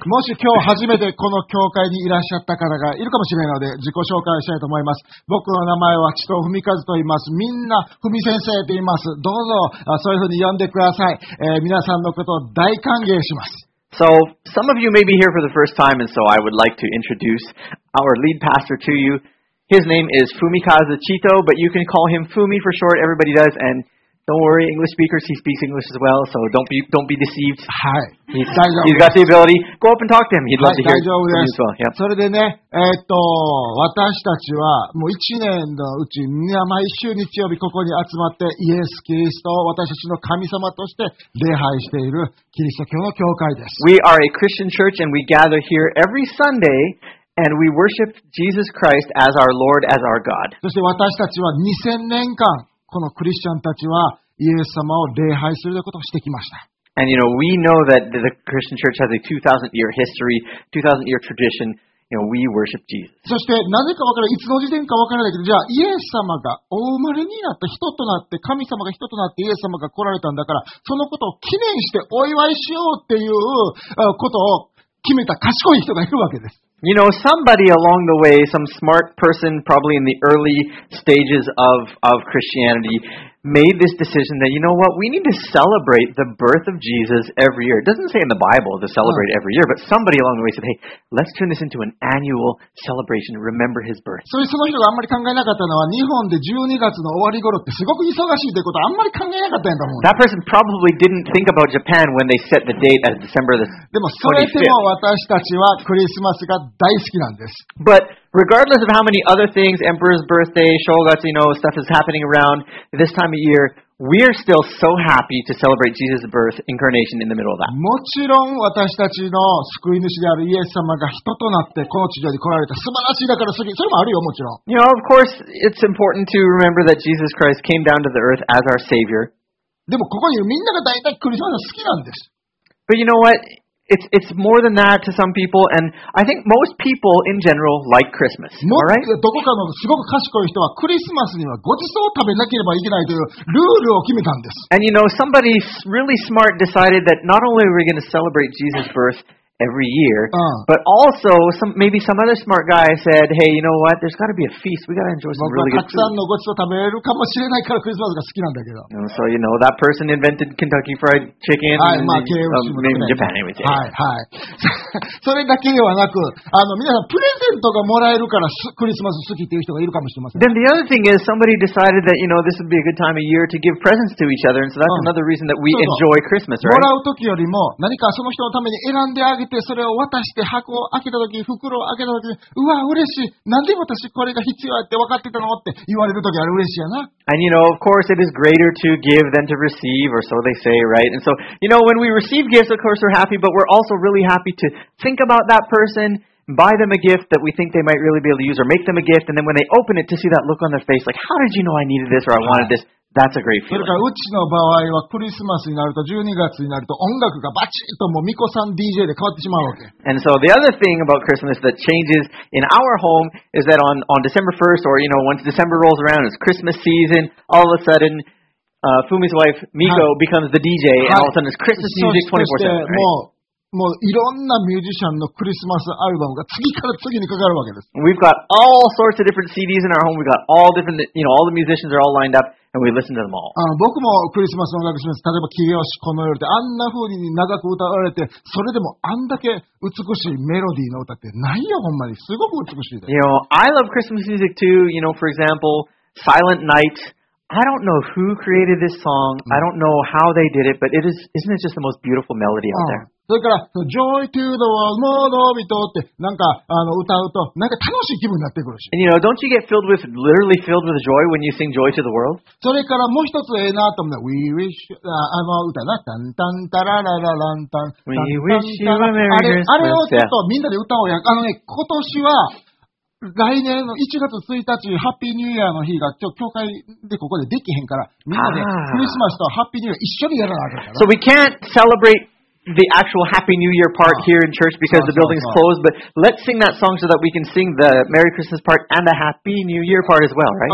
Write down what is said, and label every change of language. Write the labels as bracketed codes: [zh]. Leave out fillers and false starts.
[ja] もし今日初めてこの教会にいらっしゃった方がいるかもしれないので自己紹介したいと思います。僕の名前は千藤文和と言います。みんな文先生と言います。どうぞそういうふうに呼んでください、皆さんのことを大歓迎します。 [en] So, some of you may be here for the first time, and so I would like to introduce our lead pastor to you. His name is Fumikazu Chito, but you can call him Fumi for short, everybody does, and don't worry, English speakers, he speaks English as well, so don't be deceived. He's got the ability. Go up and talk to him, he'd love to hear from you as well. Yep. [ja] それでね、私たちはもう1年のうち、毎週日曜日ここに集まって、イエス・キリストを私たちの神様として礼拝しているキリスト教の教会です。 [en] We are a Christian church and we gather here every Sunday. And we worship Jesus Christ as our Lord, as our God. [ja] そして私たちは2000年間、このクリスチャンたちはイエス様を礼拝することをしてきました。 [en] And you know, we know that the Christian church has a 2000 year history, 2000 year tradition. You know, we worship Jesus. [ja] そしてなぜかわからない、いつの時点かわからないけど、じゃあイエス様がお生まれになった、人となって、神様が人となってイエス様が来られたんだから、そのことを記念してお祝いしようっていうことを決めた賢い人がいるわけです。 [en] You know, somebody along the way, some smart person, probably in the early stages of Christianity, made this decision that, you know what, we need to celebrate the birth of Jesus every year. It doesn't say in the Bible to celebrate every year, but somebody along the way said, hey, let's turn this into an annual celebration, remember his birth. [ja] So, その人があんまり考えなかったのは、日本で12月の終わり頃ってすごく忙しいってことはあんまり考えなかったんだもん。 [en] That person probably didn't think about Japan when they set the date as December the 25th. [ja] でもそれでも私たちはクリスマスが大好きなんです。 [en] But,Regardless of how many other things, Emperor's birthday, Shogatsu, you know, stuff is happening around this time of year, we are still so happy to celebrate Jesus' birth, incarnation in the middle of that. [ja] もちろん私たちの救い主であるイエス様が人となってこの地上に来られた素晴らしいだから好き。それもあるよ、もちろん。 [en] You know, of course, it's important to remember that Jesus Christ came down to the earth as our Savior. [ja] でもここにいるみんなが大体クリスマス好きなんです。 [en] But you know what? It's more than that to some people, and I think most people in general like Christmas. All right. [ja] どこかのすごく賢い人はクリスマスにはごちそうを食べなければいけないというルールを決めたんです。 [en] And you know, somebody really smart decided that not only are we going to celebrate Jesus' birth every year, but also maybe some other smart guy said, "Hey, you know what? There's got to be a feast. We got to enjoy some really good food." [ja] 僕はたくさんのごちそうを食べれるかもしれないからクリスマスが好きなんだけど。 [en] So you know that person invented Kentucky Fried Chicken and maybe Japan anyway. [ja] はいはい。それだけではなく、皆さんプレゼントがもらえるからクリスマス好きっていう人がいるかもしれません。 [en] Then the other thing is somebody decided that you know this would be a good time of year to give presents to each other, and so that's another reason that we enjoy Christmas, right? [ja] もらう時よりも何かその人のために選んであげてそれを渡して箱を開けた時、袋を開けた時、うわ嬉しい。なんで私これが必要って分かってたのって言われる時あれ嬉しいやな。 [en] And you know, of course, it is greater to give than to receive, or so they say, right? And so, you know, when we receive gifts, of course, we're happy, but we're also really happy to think about that person. Buy them a gift that we think they might really be able to use, or make them a gift, and then when they open it to see that look on their face, like, how did you know I needed this or I wanted this? That's a great feeling. [ja] それからうちの場合はクリスマスになると12月になると音楽がバチッともう巫女さん DJ で変わってしまうわけ。 [en] And so the other thing about Christmas that changes in our home is that on December 1st, or you know, once December rolls around, it's Christmas season, all of a sudden... Fumi's wife, Miko, becomes the DJ, and all of a sudden it's Christmas music 24/7, right? [ja] もういろんなミュージシャンのクリスマスアルバムが次から次にかかるわけです。 [en] We've got all sorts of different CDs in our home. We've got all different, you know, all the musicians are all lined up, and we listen to them all. [ja] 僕もクリスマスの音楽します。例えば、キヨシこの夜ってあんな風に長く歌われて、それでもあんだけ美しいメロディーの歌ってないよ、ほんまに。すごく美しいです。 [en] You know, I love Christmas music too. You know, for example, Silent Night. I don't know who created this song. I don't know how they did it, but it is, isn't it just the most beautiful melody out there? [ja] それから、Joy to the world, more love it ってなんか歌うとなんか楽しい気分になってくるし。 [en] And you know, don't you get filled with, literally filled with joy when you sing Joy to the world? [ja] それからもう一つええなと思うのは、We wish, 歌な、タンタンタラララランタン。 [en] We wish you a Merry Christmas. [ja] あれをちょっとみんなで歌おうや。今年は、来年の1月1日、ハッピーニューイヤーの日が今日、教会でここでできへんから、みんなでクリスマスとハッピーニューイヤー一緒にやらなあかんから。 [en] So we can't celebrate the actual Happy New Year part here in church because the building's closed, but let's sing that song so that we can sing the Merry Christmas part and the Happy New Year part as well, right?